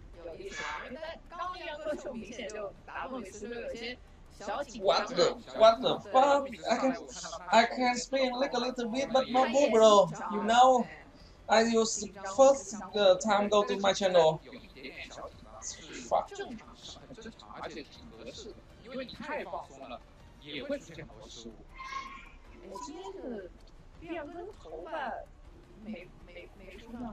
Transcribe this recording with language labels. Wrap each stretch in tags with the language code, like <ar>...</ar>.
<zh>有意思啊，刚刚亮哥就明显就打诺米斯有些小紧张。</zh> <en>What the fuck? I can speak English a little bit, but not good, bro. You know, I was first time go to my channel. Fuck.</en> <zh>正常，而且挺合适的，因为你太放松了，也会出现很多失误。我今天是亮哥头发没梳上</zh>